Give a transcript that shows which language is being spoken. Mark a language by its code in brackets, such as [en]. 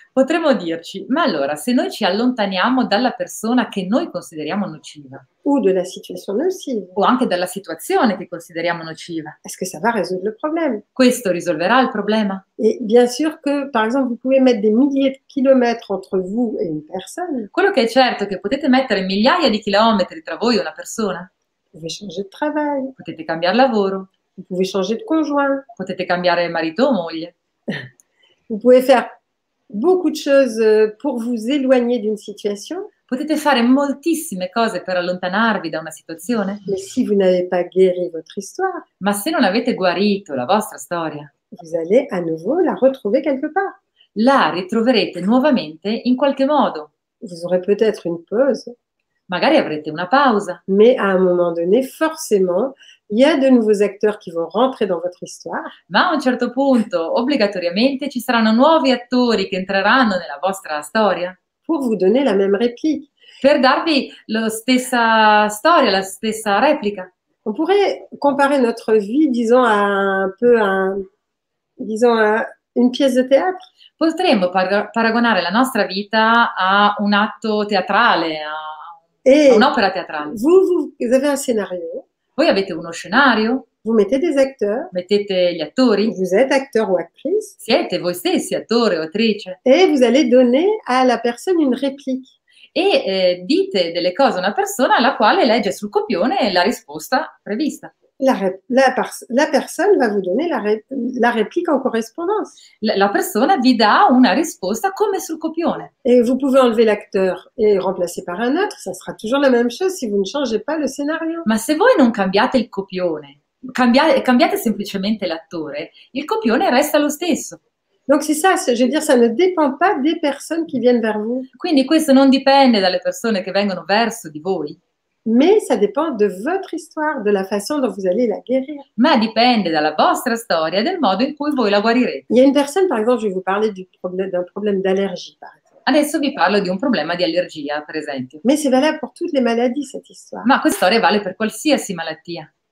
[it] Potremmo dirci, ma allora, se noi ci allontaniamo dalla persona che noi consideriamo nociva, [fr] ou de la situation nocive, [it] o anche dalla situazione che consideriamo nociva, [fr] est-ce que ça va résoudre le problème? [it] Questo risolverà il problema? [fr] Et bien sûr que, par exemple, vous pouvez mettre des milliers de kilomètres entre vous et une personne. [it] Quello che è certo è che potete mettere migliaia di chilometri tra voi e una persona. [fr] Vous pouvez changer de travail. [it] Potete cambiare lavoro. [fr] Vous pouvez changer de conjoint. [it] Potete cambiare marito o moglie. [fr] Vous pouvez faire beaucoup de choses pour vous éloigner d'une situation. [it] Potete fare moltissime cose per allontanarvi da una situazione. [fr] Mais si vous n'avez pas guéri votre histoire, [it] ma se non avete guarito la vostra storia, [fr] vous allez à nouveau la retrouver quelque part. [it] La ritroverete nuovamente in qualche modo. [fr] Vous aurez peut-être une pause. [it] Magari avrete una pausa. [fr] Mais à un moment donné, forcément, il y a de nouveaux acteurs qui vont rentrer dans votre histoire. [it] Ma a un certo punto, obbligatoriamente, ci saranno nuovi attori che entreranno nella vostra storia. [fr] Pour vous donner la même réplique. [it] Per darvi la stessa storia, la stessa replica. [fr] On pourrait comparer notre vie, disons, à un peu un, disons, à une pièce de théâtre. [it] Potremmo paragonare la nostra vita a un atto teatrale, a un'opera teatrale. [fr] Vous avez un scénario. [it] Voi avete uno scenario. [fr] Vous mettez des acteurs. [it] Mettete gli attori. [fr] Vous êtes acteur ou actrice. [it] Siete voi stessi attore o attrice. [fr] Et vous allez donner à la personne une réplique. [it] E dite delle cose a una persona alla quale legge sul copione la risposta prevista. [fr] La personne va vous donner la réplique en correspondance. [it] La persona vi dà una risposta come sul copione. [fr] Et vous pouvez enlever l'acteur et remplacer par un autre, ça sera toujours la même chose si vous ne changez pas le scénario. [it] Ma se voi non cambiate il copione, cambiate semplicemente l'attore, il copione resta lo stesso. [fr] Donc c'est ça, je veux dire, ça ne dépend pas des personnes qui viennent vers vous. [it] Quindi questo non dipende dalle persone che vengono verso di voi. [fr] Mais ça dépend de votre histoire, de la façon dont vous allez la guérir. [it] Ma dipende dalla vostra storia, del modo in cui voi la guarirete. [fr] Il y a une personne, par exemple, je vais vous parler d'un problème d'allergie. [it] Adesso vi parlo di un problema di allergia, per esempio. [fr] Mais c'est valable pour toutes les maladies, cette histoire. [it] Ma questa storia vale per qualsiasi malattia.